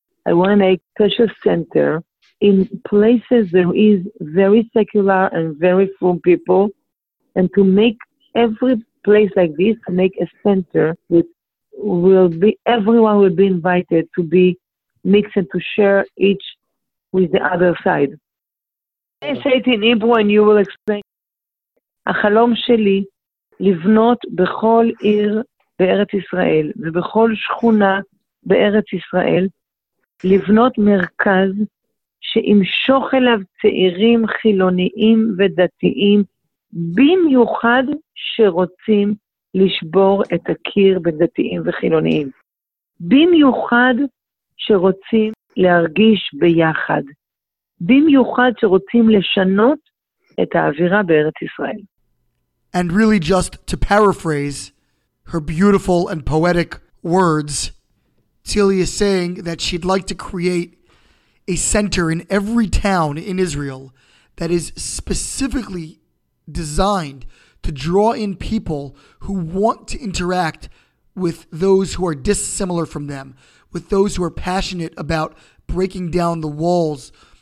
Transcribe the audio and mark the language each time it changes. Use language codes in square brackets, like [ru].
[en] I want to make special center in places there is very secular and very full people, and to make every place like this, to make a center with everyone will be invited to be mixed and to share each with the other side. I say it in Hebrew and you will explain. [he] החלום שלי לבנות בכל עיר בארץ ישראל ובכל שכונה בארץ ישראל, לבנות מרכז שימשוך אליו צעירים חילוניים ודתיים, במיוחד שרוצים לשבור את הקיר בין דתיים וחילוניים. במיוחד שרוצים להרגיש ביחד. במיוחד שרוצים לשנות את האווירה בארץ ישראל. [en] And really, just to paraphrase her beautiful and poetic words, Tzili is saying that she'd like to create a center in every town in Israel that is specifically designed to draw in people who want to interact with those who are dissimilar from them, with those who are passionate about breaking down the walls